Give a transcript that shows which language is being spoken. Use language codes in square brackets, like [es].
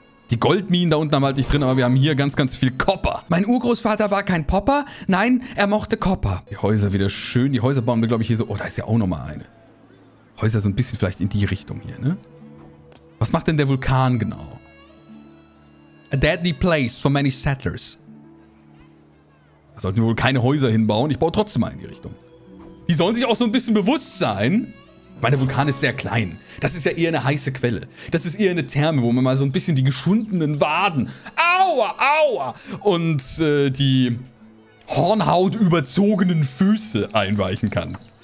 [de] Die Goldminen da unten haben halt nicht drin, aber wir haben hier ganz, ganz viel Kopper. Mein Urgroßvater war kein Popper. Nein, er mochte Kopper. Die Häuser wieder schön. Die Häuser bauen wir, glaube ich, hier so. Oh, da ist ja auch nochmal eine. Häuser so ein bisschen vielleicht in die Richtung hier, ne? Was macht denn der Vulkan genau? [en] A deadly place for many settlers. [de] Da sollten wir wohl keine Häuser hinbauen. Ich baue trotzdem mal in die Richtung. Die sollen sich auch so ein bisschen bewusst sein. Weil der Vulkan ist sehr klein. Das ist ja eher eine heiße Quelle. Das ist eher eine Therme, wo man mal so ein bisschen die geschundenen Waden... Aua, aua! Und die hornhautüberzogenen Füße einweichen kann.